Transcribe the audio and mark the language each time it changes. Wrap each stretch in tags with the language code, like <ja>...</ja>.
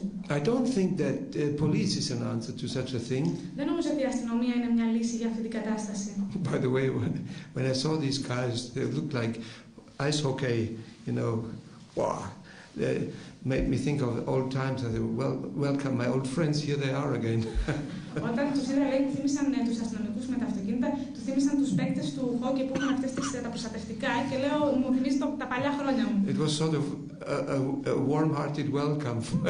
<en>I don't think that police is an answer to such a thing. By the way, when I saw these guys, they looked like ice hockey, you know, wow. Made me think of old times. I said, "Well, welcome, my old friends. Here they are again."</en> <el>Όταν τους είδα, λέει, θύμισαν τους αστυνομικούς με τα αυτοκίνητα, τους θύμισαν τους παίκτες του χόκκι που είχαν αυτές τις τα προστατευτικά και λέω, μου θυμίζει τα παλιά χρόνια μου.</el> <en>It was sort of a warm-hearted welcome.</en>